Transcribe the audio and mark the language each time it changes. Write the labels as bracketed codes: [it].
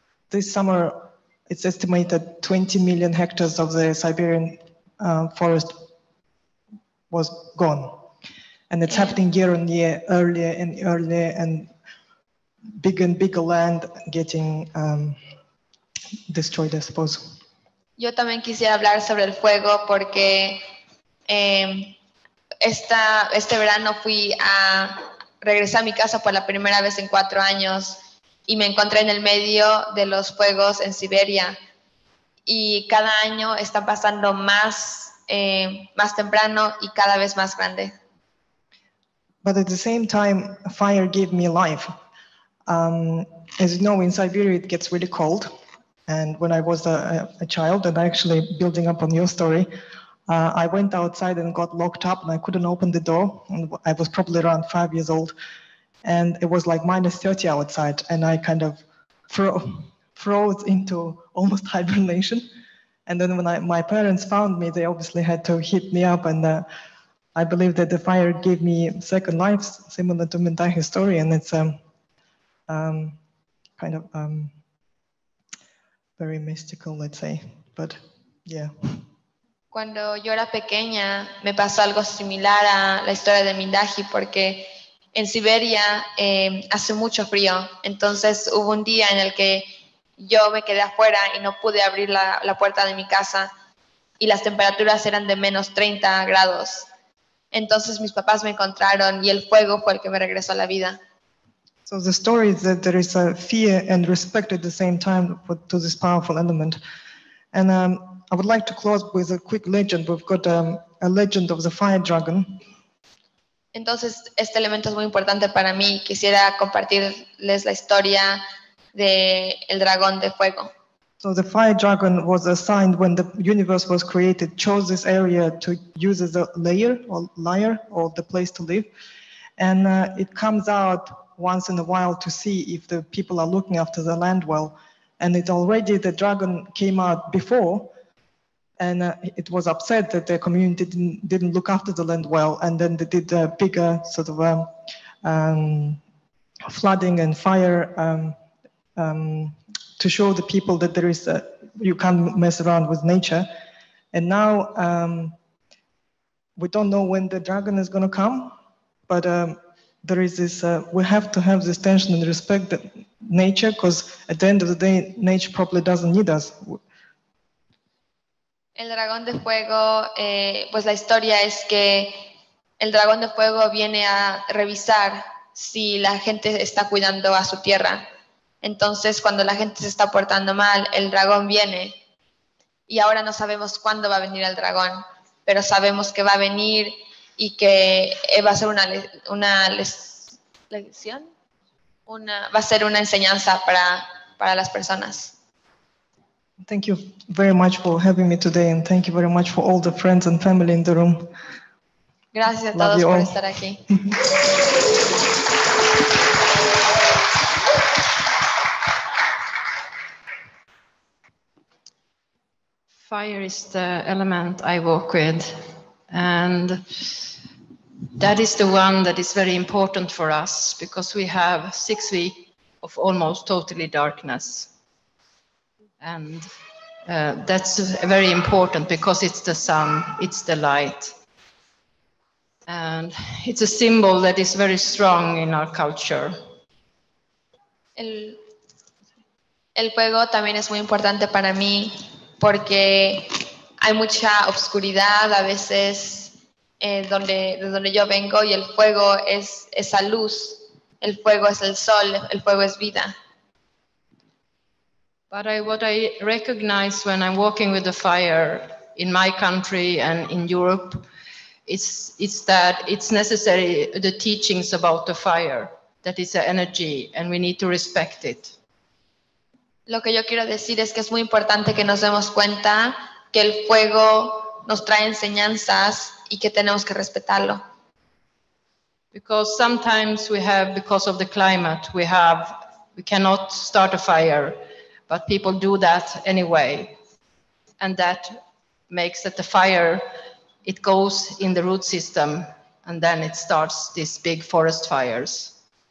[en] This summer, it's estimated 20 million hectares of the Siberian forest was gone. And it's happening year on year, earlier and earlier, and bigger land getting destroyed, I suppose. [es] Yo también quisiera hablar sobre el fuego porque Este verano fui a regresar a mi casa por la primera vez en 4 años y me encontré en el medio de los fuegos en Siberia. Y cada año está pasando más, más temprano y cada vez más grande. [en] But at the same time, fire gave me life. As you know, in Siberia it gets really cold. And when I was a child, and actually building up on your story, I went outside and got locked up and I couldn't open the door. And I was probably around 5 years old. And it was like minus 30 outside. And I kind of froze into almost hibernation. And then when my parents found me, they obviously had to heat me up. And I believe that the fire gave me second life, similar to Mintai's story. And it's kind of very mystical, let's say, but yeah. [es] Cuando yo era pequeña, me pasó algo similar a la historia de Mindaji, porque en Siberia hace mucho frío. Entonces hubo un día en el que yo me quedé afuera y no pude abrir la puerta de mi casa y las temperaturas eran de menos 30 grados. Entonces mis papás me encontraron y el fuego fue el que me regresó a la vida. [en] So the story is that there is a fear and respect at the same time to this powerful element. And I would like to close with a quick legend. We've got a legend of the fire dragon. [es] Entonces, este elemento es muy importante para mí. Quisiera compartirles la historia del dragón de fuego. [en] So the fire dragon was assigned when the universe was created, chose this area to use as a lair or the place to live. And it comes out once in a while to see if the people are looking after the land well. And it already, the dragon came out before, and it was upset that the community didn't look after the land well, and then they did a bigger sort of flooding and fire to show the people that there is you can't mess around with nature. And now we don't know when the dragon is going to come, but there is this, we have to have this tension and respect that nature, because at the end of the day, nature probably doesn't need us. [es] El dragón de fuego, pues la historia es que el dragón de fuego viene a revisar si la gente está cuidando a su tierra. Entonces, cuando la gente se está portando mal, el dragón viene. Y ahora no sabemos cuándo va a venir el dragón, pero sabemos que va a venir y que va a ser una enseñanza para las personas. [en] Thank you very much for having me today, and thank you very much for all the friends and family in the room. [es] Gracias a todos por estar aquí. [en] Fire is the element I work with, and that is the one that is very important for us, because we have 6 weeks of almost totally darkness. And that's very important, because it's the sun, it's the light. And it's a symbol that is very strong in our culture. [es] El fuego también es muy importante para mí, porque hay mucha oscuridad a veces donde yo vengo, y el fuego es esa luz, el fuego es el sol, el fuego es vida. [en] But what I recognize when I'm walking with the fire in my country and in Europe is that it's necessary, the teachings about the fire, that is an energy and we need to respect it. [es] Lo que yo quiero decir es que es muy importante que nos demos cuenta que el fuego nos trae enseñanzas y que tenemos que respetarlo. [en] Because sometimes we have, because of the climate, we cannot start a fire. But people do that anyway, and that makes that the fire, it goes in the root system, and then it starts these big forest fires.